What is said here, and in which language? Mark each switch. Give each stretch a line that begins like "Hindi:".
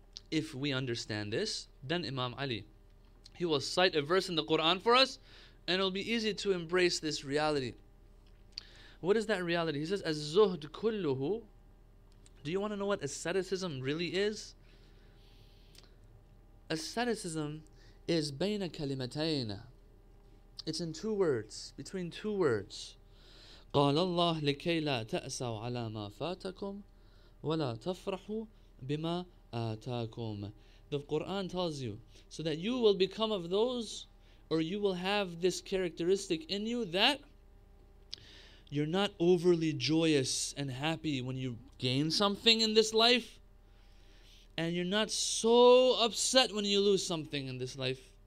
English: If we understand this, then Imam Ali, he will cite a verse in the Quran for us, and it'll be easy to embrace this reality. What is that reality? He says,
Arabic: "Az-zuhd kulluhu."
English: Do you want to know what asceticism really is? Asceticism is
Arabic: bayna kalimatayn.
English: It's in two words, between two words.
Arabic: قال الله لكي لا تأسوا على ما فاتكم ولا تفرحوا بما آتاكم.
English: The Quran tells you, so that you will become of those, or you will have this characteristic in you, that you're not overly joyous and happy when you gain something in this life, and you're not so upset when you lose something in this life.